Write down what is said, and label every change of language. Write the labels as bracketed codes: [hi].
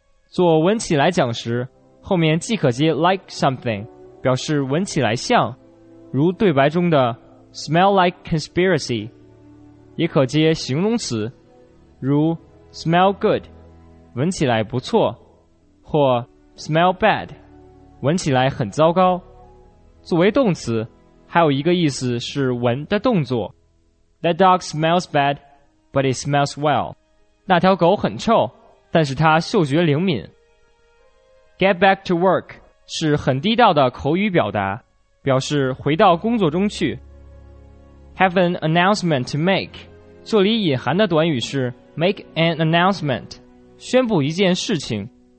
[zh] 做闻起来讲时，后面既可接 [en] like something， [zh] 表示闻起来像，如对白中的 [en] smell like conspiracy， [zh] 也可接形容词，如 [en] smell good， [zh] 闻起来不错，或 [en] smell bad， [zh] 闻起来很糟糕。作为动词，还有一个意思是闻的动作。 [en] That dog smells bad, but it smells well. [zh] 那条狗很臭，但是它嗅觉灵敏。 [en] Get back to work [zh] 是很地道的口语表达，表示回到工作中去。 [en] Have an announcement to make. [zh] 这里隐含的短语是 [en] make an announcement， [zh] 宣布一件事情。